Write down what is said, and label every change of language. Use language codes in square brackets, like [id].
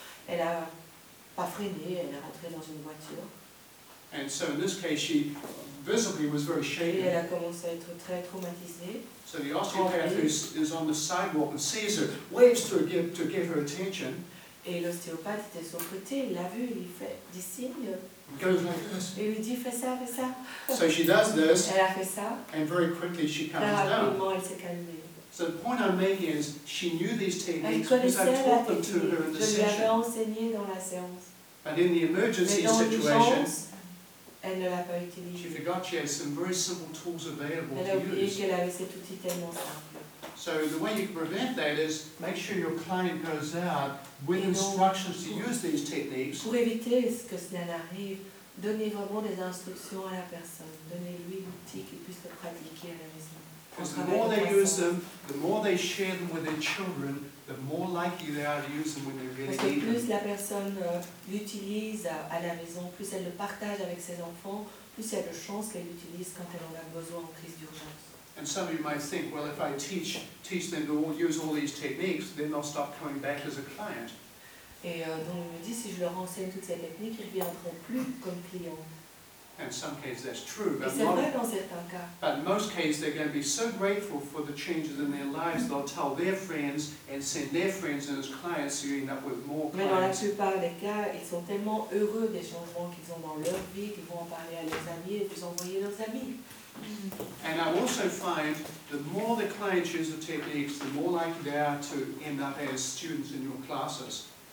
[fr] Elle a pas freiné. Elle est rentrée dans une voiture. [en] And so in this case, she visibly was very shaken. [fr] Et elle a commencé à être très traumatisée. [en] So the osteopath is on the sidewalk and sees her, waves to get her attention. [fr] Et l'ostéopathe était sur le côté. Il l'a vue. Il fait des signes. [en] Goes like this. [fr] Et lui dit, fais ça, fais ça. [en] So she does this. [fr] Elle a fait ça. [en] And very quickly she calms down. [fr] Elle s'est calmée. [en] So the point I'm making is, she knew these techniques because I taught them to her in the session. [fr] Je lui avais enseigné dans la séance. [en] But in the emergency situation, [fr] elle ne l'a pas utilisé. [en] She forgot she had some very simple tools available to use. [fr] Elle a oublié qu'elle avait cet outil tellement simple. [en] So the way you can prevent that is make sure your client goes out with instructions to use these techniques. [fr] Pour éviter que cela n'arrive, donnez vraiment des instructions à la personne. Donnez-lui l'outil qu'il puisse le pratiquer à la maison. [en] Because the more they use them, the more they share them with their children, the more likely they are to use them when they really need them. [fr] Parce que plus la personne l'utilise à la maison, plus elle le partage avec ses enfants, plus il y a de chances qu'elle l'utilise quand elle en a besoin en crise d'urgence. [en] And some of you might think, well, if I teach them to use all these techniques, then they'll stop coming back as a client. [fr] Et donc il me dit, si je leur enseigne toutes ces techniques, ils ne reviendront plus comme clients. [en] In some cases, that's true. But [fr] et c'est vrai dans certains cas. [en] But in most cases, they're going to be so grateful for the changes in their lives, they'll tell their friends and send their friends in as clients, so you end up with more clients. [fr] Mais dans la plupart des cas, ils sont tellement heureux des changements qu'ils ont dans leur vie qu'ils vont en parler à leurs amis et puis envoyer leurs amis. [en] And I also find the more the client uses the techniques, the more likely they are to end up as students in your classes.